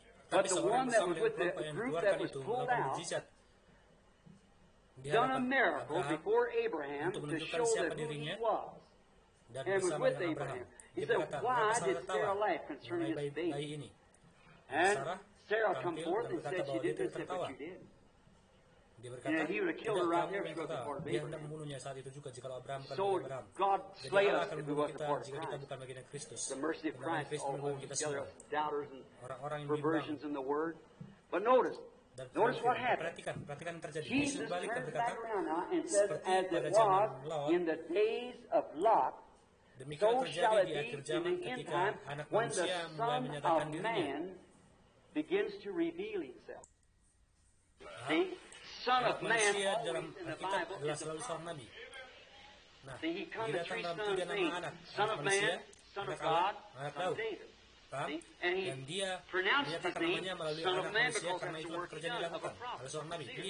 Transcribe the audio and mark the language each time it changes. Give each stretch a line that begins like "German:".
English: But the one that was with the group that was pulled out done a miracle before Abraham to show that who he was and was with Abraham. He said, why did Sarah laugh concerning his baby? And Sarah come forth and said she did this, but you did.
Indonesian: Dia berkata,
English: he would have killed her right there if it wasn't for Abraham.
Indonesian: Dia hendak membunuhnya saat itu juga jika Abraham bukan Abraham.
English: God slay us if it wasn't for Christ. The mercy of Christ, Christ all holds together doubters and perversions in the word. But notice what happened.
Indonesian: Perhatikan yang terjadi.
English: Jesus turned back around and says, as it was in the days of Lot, so shall it be in the end time when the Son of Man begins to reveal himself. See, Son of Man always in the Bible is a prophet. See, he comes in three sons of Man. Son of Man, Son of God, Son of David.
Indonesian: Dan dia menyatakan namanya melalui anak manusia karena itu pekerjaan dilakukan oleh seorang nabi.